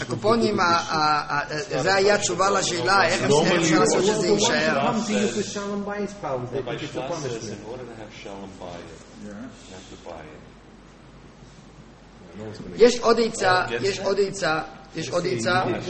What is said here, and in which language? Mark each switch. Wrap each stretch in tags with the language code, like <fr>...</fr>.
<he>הקופונים, זה היה תשובה לשאלה, איך אפשר לעשות שזה יישאר.</he> <en>What do you do with Shalom Bayis problems? They think it's a punishment. In order to have Shalom Bayis,</en> <he>יש עוד עיצה, יש עוד עיצה, יש עוד עיצה.</he>